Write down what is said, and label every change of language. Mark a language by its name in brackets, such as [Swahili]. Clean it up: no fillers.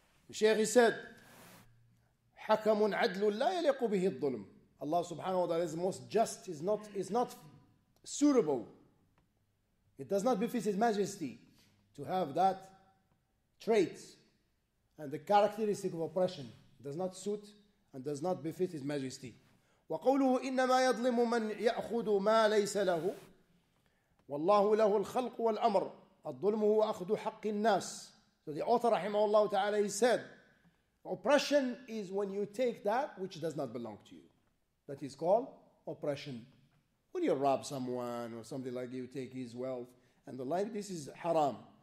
[English] Sheikh, he said, [Arabic] حَكَمٌ عَدْلٌ لَا يَلِقُ بِهِ الظُّلْمُ. [English] Allah subhanahu wa ta'ala is most just, is not suitable. It does not befit His Majesty to have that trait and the characteristic of oppression. It does not suit and does not befit His Majesty. [Arabic] وَقَوْلُهُ إِنَّمَا يَظْلِمُ مَنْ يَأْخُذُ مَا لَيْسَ لَهُ والله له الخلق والأمر الظلم هو أخذ حق الناس. [English] So the author رحمه الله تعالى, he said, oppression is when you take that which does not belong to you. That is called oppression. When you rob someone or somebody like you take his wealth and the like, this is haram.